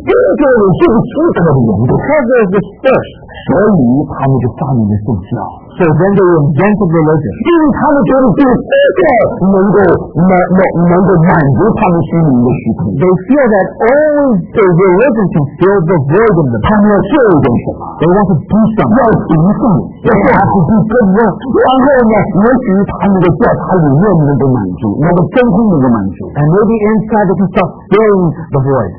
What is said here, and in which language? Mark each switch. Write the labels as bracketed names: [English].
[Chinese] 因为有这个饥渴的缘故 [English] ，Because of the thirst. [Chinese] 所以他们就发明了宗教。 [English] So then they invented religion. [Chinese] 因为他们觉得这个能够满足他们心灵的虚空。 [English] They feel that only the religion can fill the void in them. [Chinese] 他们要做一点什么 [English] ？They want to do something. [Chinese] 要行动。 [English] They have to do good work. [Chinese] 然后呢，也许他们的在他里面能够满足，那个真空能够满足。 [English] And maybe inside they can start filling the void.